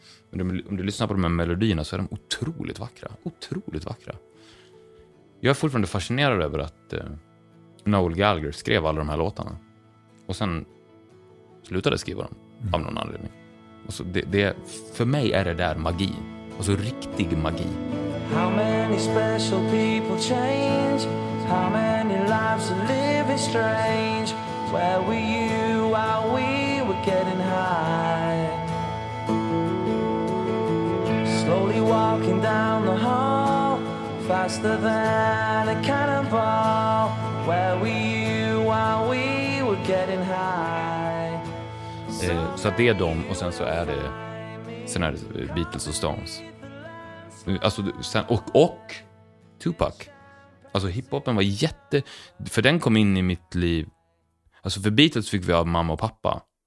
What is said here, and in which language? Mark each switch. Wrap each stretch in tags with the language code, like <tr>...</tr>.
<sv>Men om du lyssnar på de här melodierna så är de otroligt vackra. Otroligt vackra. Jag är fortfarande fascinerad över att Noel Gallagher skrev alla de här låtarna. Och sen slutade skriva dem av någon anledning. Alltså det, för mig är det där magi. Alltså riktig magi.</sv> <en>How many special people change? How many lives are living strange? Where were you while we were getting high? Slowly walking down the hall, faster than a cannonball. Where were you while we were getting high?</en> <sv>Så att det är dem, och sen är det Beatles och Stones. Alltså, sen, och Tupac. Alltså hiphopen var jätte... För den kom in i mitt liv. Alltså för Beatles fick vi av mamma och pappa.</sv>